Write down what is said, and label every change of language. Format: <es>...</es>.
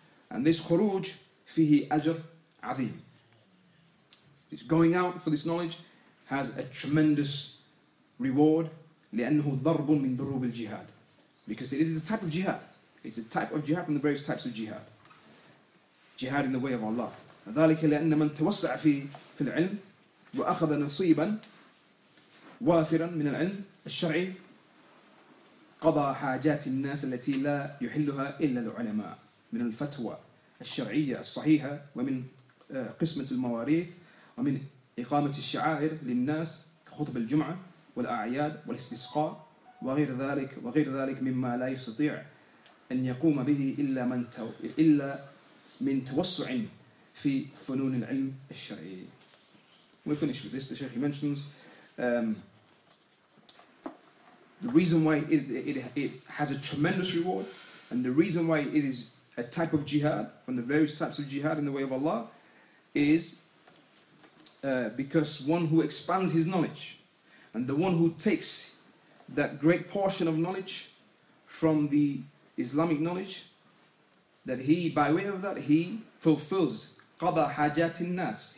<en>And this</en> <ar>khuruj fihi ajr azim.</ar> <en>This going out for this knowledge has a tremendous reward.</en> <ar>لأنه ضرب من ضروب الجهاد.</ar> <en>Because it is a type of jihad. It's a type of jihad from the various types of jihad. Jihad in the way of Allah.</en> <ar>ذلك لأن من توسع في العلم وأخذ نصيبا وافرا من العلم الشرعي قضى حاجات الناس التي لا يحلها إلا العلماء من الفتوى الشرعية الصحيحة ومن قسمة المواريث ومن إقامة الشعائر للناس كخطب الجمعة والأعياد والاستسقاء وغير ذلك مما لا يستطيع أن يقوم به إلا من توسع في فنون العلم الشرعي.</ar> <en>We'll finish with this. The Sheikh mentions The reason why it has a tremendous reward, and the reason why it is a type of jihad, from the various types of jihad in the way of Allah, is because one who expands his knowledge, and the one who takes that great portion of knowledge from the Islamic knowledge, that he, by way of that, he fulfills qada hajatin nas.</en>